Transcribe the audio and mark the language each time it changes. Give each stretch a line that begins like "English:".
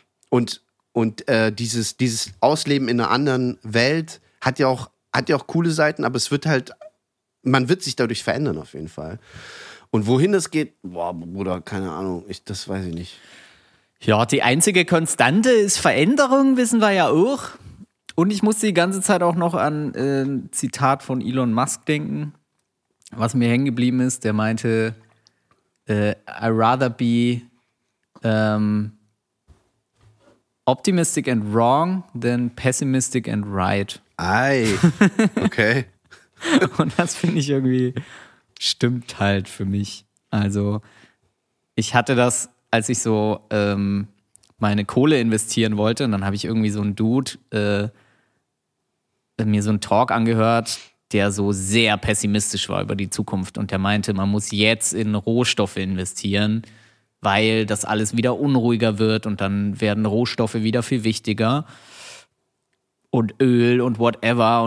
German: Und dieses Ausleben in einer anderen Welt hat ja auch coole Seiten, aber es wird halt, man wird sich dadurch verändern auf jeden Fall. Und wohin das geht, Bruder, keine Ahnung, das weiß ich nicht. Ja, die einzige Konstante ist Veränderung, wissen wir ja auch. Und ich musste die ganze Zeit auch noch an ein Zitat von Elon Musk denken, was mir hängen geblieben ist. Der meinte,
English: I'd rather be optimistic and wrong than pessimistic and right.
German: Ei, okay. Und das finde ich irgendwie... Stimmt halt für mich. Also ich hatte das, als ich so meine Kohle investieren wollte, und dann habe ich irgendwie so einen Dude mir so einen Talk angehört, der so sehr pessimistisch war über die Zukunft, und der meinte, man muss jetzt in Rohstoffe investieren, weil das alles wieder unruhiger wird und dann werden Rohstoffe wieder viel wichtiger und Öl und whatever.